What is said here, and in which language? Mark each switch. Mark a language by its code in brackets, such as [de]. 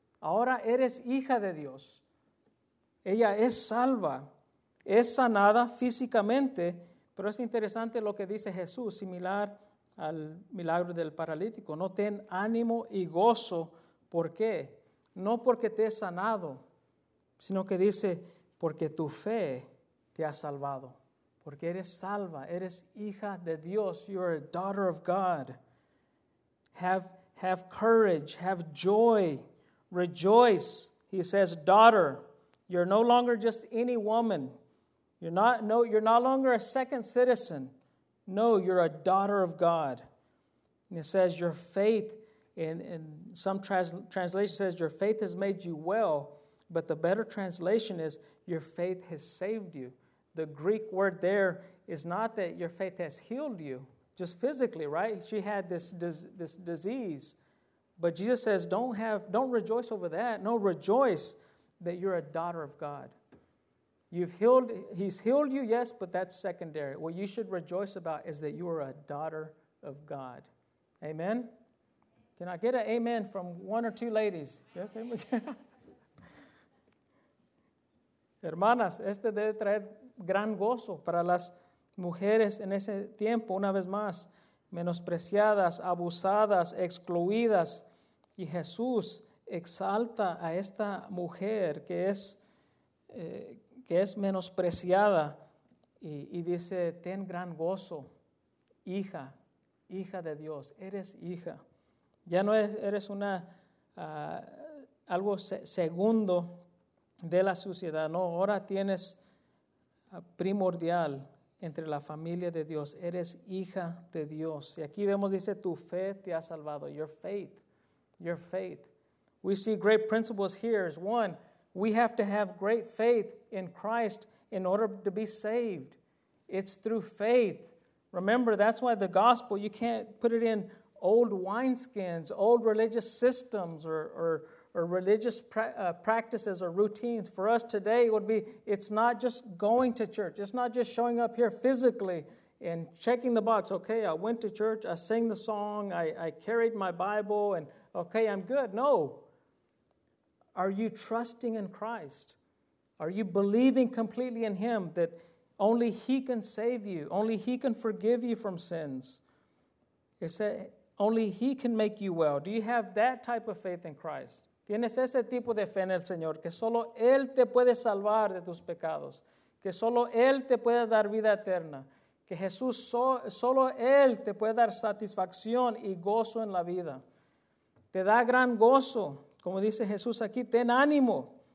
[es] Ahora eres hija de Dios. Ella es salva, es sanada físicamente, pero es interesante lo que dice Jesús, similar al milagro del paralítico. No, ten ánimo y gozo, ¿por qué? No porque te he sanado, sino que dice, porque tu fe te ha salvado. Porque eres salva, eres hija de Dios. [en] You are a daughter of God. Have courage, have joy, Rejoice. He says, daughter, you're no longer just any woman. You're no longer a second citizen. No, you're a daughter of God. And it says, your faith, in some translation says, your faith has made you well. But the better translation is, your faith has saved you. The Greek word there is not that your faith has healed you, just physically, right? She had this disease. But Jesus says, don't rejoice over that. No, rejoice that you're a daughter of God. He's healed you, yes, but that's secondary. What you should rejoice about is that you are a daughter of God. Amen? Can I get an amen from one or two ladies? Yes, amen. [es] Hermanas, este debe traer gran gozo para las mujeres en ese tiempo, una vez más, menospreciadas, abusadas, excluidas. Y Jesús exalta a esta mujer que es menospreciada y dice, ten gran gozo, hija de Dios, eres hija. Ya no eres una algo segundo de la sociedad, no, ahora tienes primordial entre la familia de Dios, eres hija de Dios. Y aquí vemos, dice, tu fe te ha salvado, [en] your faith. We see great principles here. Is one, we have to have great faith in Christ in order to be saved. It's through faith. Remember, that's why the gospel, you can't put it in old wineskins, old religious systems or religious practices or routines. For us today, it would be, it's not just going to church. It's not just showing up here physically and checking the box. Okay, I went to church, I sang the song, I carried my Bible, and okay, I'm good. No. Are you trusting in Christ? Are you believing completely in Him that only He can save you? Only He can forgive you from sins? It said, only He can make you well. Do you have that type of faith in Christ? [es] ¿Tienes ese tipo de fe en el Señor? Que solo Él te puede salvar de tus pecados. Que solo Él te puede dar vida eterna. Que Jesús, solo Él te puede dar satisfacción y gozo en la vida. Te da gran gozo, como dice Jesús aquí, ten ánimo.